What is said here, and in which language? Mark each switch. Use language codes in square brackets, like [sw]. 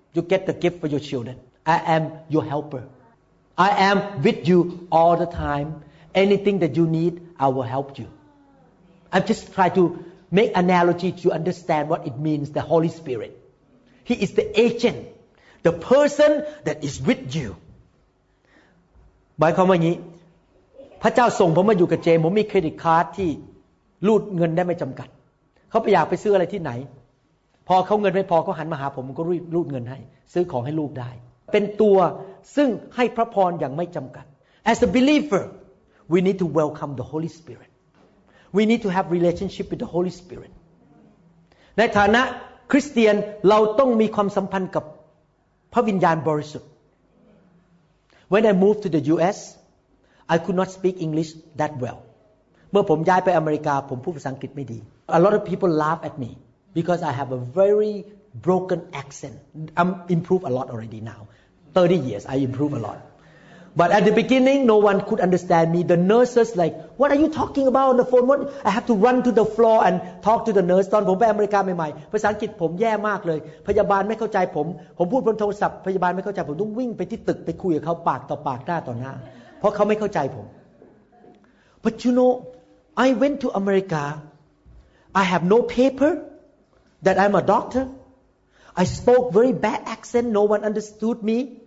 [en] You get the gift for your children. I am your helper. I am with you all the time. Anything that you need, I will help you. I'm just trying to make analogy to understand what it means, the Holy Spirit. He is the agent, the person that is with you. By coming here, [th] พระเจ้าส่งผมมาอยู่กับเจมผมมีเครดิตการ์ดที่รูดเงินได้ไม่จำกัดเขาไปอยากไปซื้ออะไรที่ไหนพอเขาเงินไม่พอเขาหันมาหาผมก็รูดเงินให้ซื้อของให้ลูกได้เป็นตัวซึ่งให้พระพรอย่างไม่จำกัด [en] As a believer we need to welcome the Holy Spirit [th] we need to have relationship with the Holy Spirit ในฐานะคริสเตียนเราต้องมีความสัมพันธ์กับพระวิญญาณบริสุทธิ์ [en] When I moved to the USI could not speak English that well. [th] เมื่อผมย้ายไปอเมริกาผมพูดภาษาอังกฤษไม่ดี [en] A lot of people laugh at me because I have a very broken accent. I'm improved a lot already now. 30 years, I improved a lot. But at the beginning, no one could understand me. The nurses like, what are you talking about on the phone? What? I have to run to the floor and talk to the nurse. [th] ตอนผมไปอเมริกาใหม่ๆภาษาอังกฤษผมแย่มากเลยพยาบาลไม่เข้าใจผม [en] ผมพูดบนโทรศัพท์พยาบาลไม่เข้าใจผมต้องวิ่งไปที่ตึกไปคุยกับเขาปากต่อปากหน้าต่อหน้าเพราะเขาไม่เข้าใจผม But you know I went to America I have no paper that I'm a doctor I spoke very bad accent no one understood me